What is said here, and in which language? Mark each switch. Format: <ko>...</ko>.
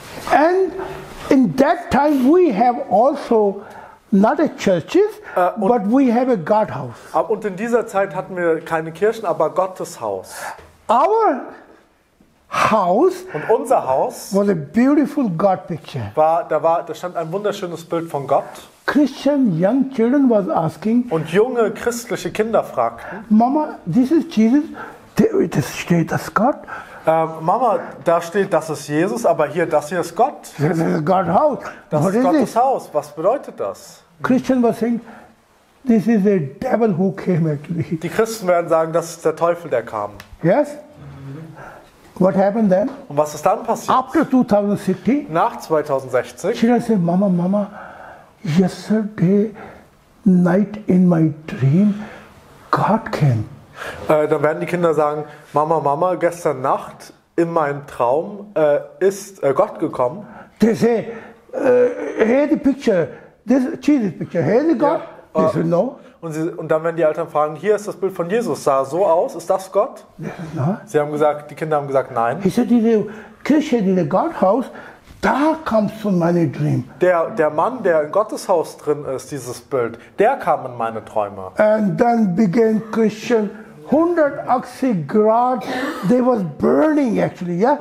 <en>And in that time we have also not a churches, but we have a God house.</en> <de>Und in dieser Zeit hatten wir keine Kirchen, aber Gotteshaus.</de> <en>Our house,</en> <de>und unser Haus</de> <en>was a beautiful God picture.</en> <de>Da stand ein wunderschönes Bild von Gott.</de> <en>Christian young children was asking,</en> <de>und junge christliche Kinder fragten,</de> <en>Mama, this is Jesus,</en> <de>das steht das Gott. Mama, da steht, das ist Jesus, aber hier, das hier ist Gott.</de> <en>This is God house.</en> <de>Das what ist Gottes Haus. Was bedeutet das?</de> <en>Christian was saying, this is a devil who came actually.</en> <de>Die Christen werden sagen, das ist der Teufel, der kam.</de> <en>Yes. What happened then?</en> <de>Und was ist dann passiert?</de> <en>After 2060.</en> <de>Nach 2060.</de> <en>She said, Mama, Mama, yesterday night in my dream, God came.</en> <de>Dann werden die Kinder sagen, Mama, Mama, gestern Nacht in meinem Traum ist Gott gekommen.</de> <en>They say, here the picture, this Jesus picture, here the God. Yeah. They said, no.</en> <de>Und dann werden die Eltern fragen, hier ist das Bild von Jesus, sah so aus, ist das Gott? Sie haben gesagt, die Kinder haben gesagt, nein.</de> <en>He said, the Kirche, the God house, da comes to my dream.</en> <de>Der Mann, der in Gottes Haus drin ist, dieses Bild, der kam in meine Träume.</de> <en>And then began Christian 180 Grad, they was burning actually, yeah?</en>